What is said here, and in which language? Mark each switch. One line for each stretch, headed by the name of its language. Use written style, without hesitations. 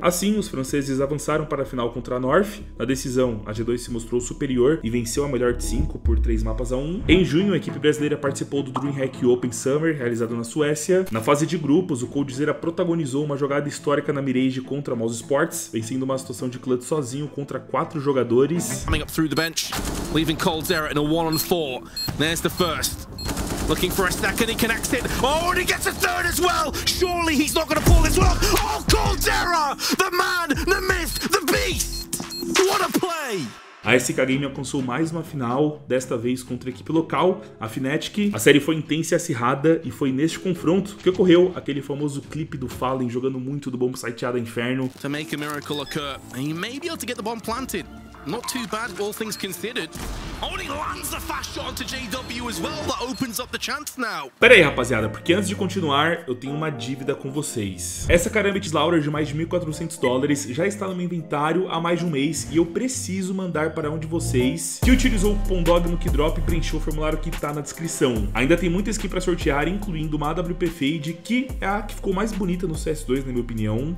Portuguese: Assim, os franceses avançaram para a final contra a North. Na decisão, a G2 se mostrou superior e venceu a melhor de 5 por 3-1. Em junho, a equipe brasileira participou do DreamHack Open Summer, realizado na Suécia. Na fase de grupos, o Coldzera protagonizou uma jogada histórica na Mirage contra a Mouse Sports, vencendo uma situação de clutch sozinho contra 4 jogadores.
English: Coming up through the bench, leaving Coldzera in a 1-on-4. There's the first. Looking for a second, he connects it. Oh, and he gets a third as well. Surely he's not going to pull this one off. Oh, Coldzera! The man, the myth, the beast! What a play!
Portuguese: A SK Game alcançou mais uma final, desta vez contra a equipe local, a Fnatic. A série foi intensa e acirrada, e foi neste confronto que ocorreu aquele famoso clipe do FalleN jogando muito do bomb siteado a inferno.
English: To make a miracle occur, and he may be able to get the bomb planted. Not too bad, all things considered. Only lands a fast shot onto JW as well, that opens up the chance now.
Portuguese: Pera aí, rapaziada, porque antes de continuar, eu tenho uma dívida com vocês. Essa Karambit Slaughter de mais de $1,400 já está no meu inventário há mais de um mês e eu preciso mandar para um de vocês que utilizou o cupom DOG no Keydrop e preencheu o formulário que está na descrição. Ainda tem muita skin para sortear, incluindo uma AWP Fade, que é a que ficou mais bonita no CS2, na minha opinião.